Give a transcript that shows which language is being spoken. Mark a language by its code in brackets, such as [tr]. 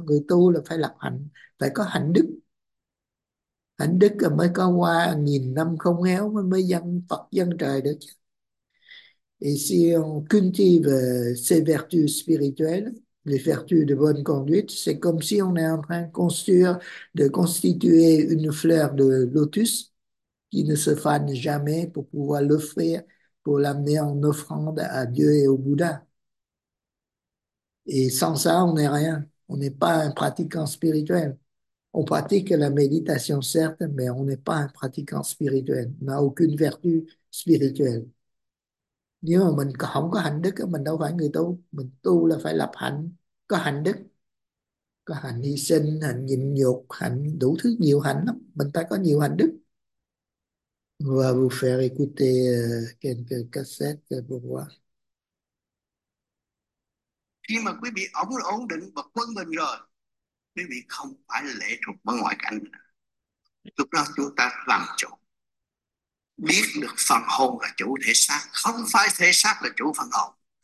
[vi] Người tu là phải lập hạnh, phải có hạnh đức. Hạnh đức là mới có qua nghìn năm không héo mới dân Phật dân trời được chứ. [fr] Et si on cultive ces vertus spirituelles, les vertus de bonne conduite, c'est comme si on est en train de constituer une fleur de lotus qui ne se fane jamais pour pouvoir l'offrir, pour l'amener en offrande à Dieu et au Bouddha. Et sans ça, on n'est rien. On n'est pas un pratiquant spirituel. On pratique la méditation, certes, mais on n'est pas un pratiquant spirituel. On n'a aucune vertu spirituelle. [vi] Nếu mà mình không có hạnh đức, mình đâu phải người tu. Mình tu là phải lập hạnh, có hạnh đức. Có hạnh hy sinh, hạnh nhịn nhục, hạnh đủ thứ, nhiều hạnh lắm. Mình ta có nhiều hạnh đức. [fr] On va vous faire écouter quelques cassettes pour voir. [vi] Khi mà quý vị ổn định bậc quân mình rồi, quý vị không phải lệ thuộc vào ngoại cảnh. Lúc đó chúng ta làm chủ, biết được phần hồn là chủ thể xác, không phải thể xác là chủ phần hồn.